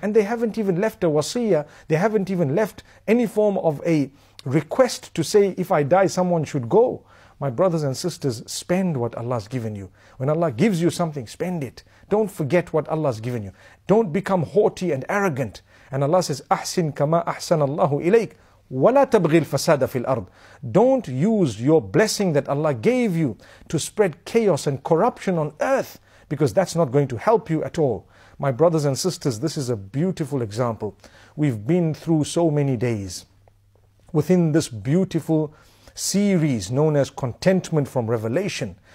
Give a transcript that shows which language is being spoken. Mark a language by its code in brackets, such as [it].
[en] And they haven't even left a wasiyah. They haven't even left any form of a request to say, if I die, someone should go. My brothers and sisters, spend what Allah's given you. When Allah gives you something, spend it. Don't forget what Allah's given you. Don't become haughty and arrogant. And Allah says, [ar] أحسن كما أحسن الله إليك ولا تبغي الفساد في الأرض. [en] Don't use your blessing that Allah gave you to spread chaos and corruption on earth, because that's not going to help you at all. My brothers and sisters, this is a beautiful example. We've been through so many days within this beautiful series known as Contentment from Revelation.